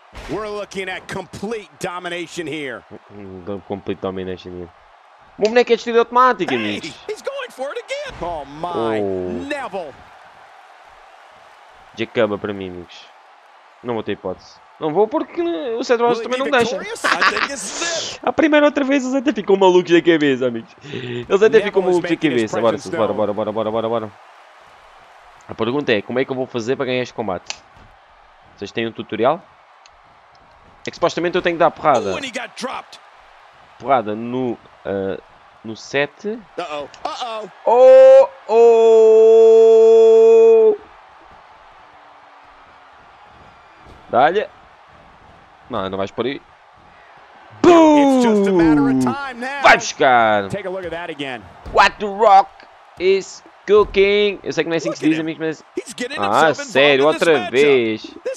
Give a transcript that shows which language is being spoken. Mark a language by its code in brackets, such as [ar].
[en] We're looking at complete domination here. Complete domination here. [pt] O meu boneco é destruído automático, [en] hey, [pt] amigos. [en] He's going for it again. Oh my, oh. Neville. [pt] Já acaba para mim, amigos. Não vou ter hipótese. Não vou porque o Seth Rollins também não deixa. A primeira outra vez eles até ficam malucos da cabeça, amigos. Eles até ficam malucos da cabeça. Bora, bora, bora, bora, bora, bora, bora. A pergunta é, como é que eu vou fazer para ganhar este combate? Vocês têm um tutorial? É que supostamente eu tenho que dar porrada. Porrada no... no set. Oh, oh! Dá-lhe. Não, não vais por aí. Boom! Vai buscar! [en] What the Rock is cooking! [pt] Eu sei que não é assim que se diz, amigos, mas... Ah, sério, outra vez!